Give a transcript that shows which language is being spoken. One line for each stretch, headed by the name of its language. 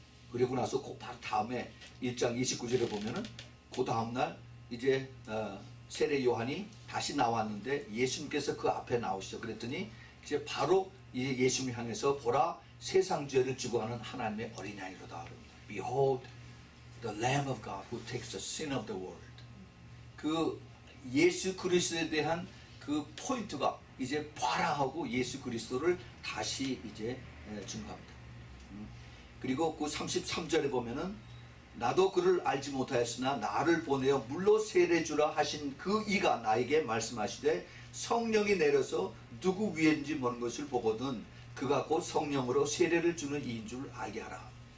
Korean: 그리고 나서 곧 다음에 1장 29절에 보면은 그 다음날 이제 세례 요한이 다시 나왔는데 예수님께서 그 앞에 나오시죠. 그랬더니 이제 바로 이제 예수님을 향해서 보라 세상 죄를 지고 가는 하나님의 어린 양이로다.
English: Behold the Lamb of God who takes the sin of the world.
Korean: 그 예수 그리스도에 대한 그 포인트가 이제 봐라 하고 예수 그리스도를 다시 이제 증거합니다. 그리고 그 33절에 보면은 나도 그를 알지 못하였으나 나를 보내어 물로 세례주라 하신 그 이가 나에게 말씀하시되 성령이 내려서 누구 위인지 모르는 것을 보거든 그가 곧 성령으로 세례를 주는 이인 줄 알게 하라.